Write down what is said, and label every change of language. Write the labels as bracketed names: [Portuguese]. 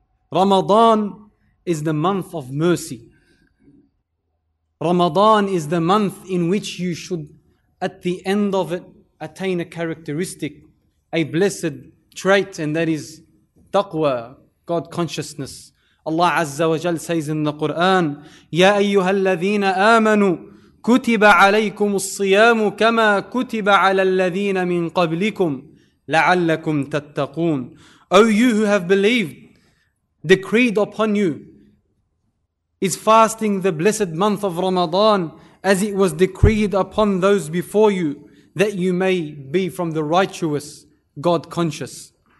[English] Ramadan is the month of mercy. Ramadan is the month in which you should, at the end of it, attain a characteristic, a blessed trait, and that is taqwa, God consciousness. Allah Azza wa Jal says in the Quran, [Arabic] Ya ayyuha الذين آمنوا كتب عليكم الصيام كما كتب على الذين من قبلكم لعلكم تتقون. [English] O you who have believed, decreed upon you is fasting the blessed month of Ramadan as it was decreed upon those before you, that you may be from the righteous, God conscious.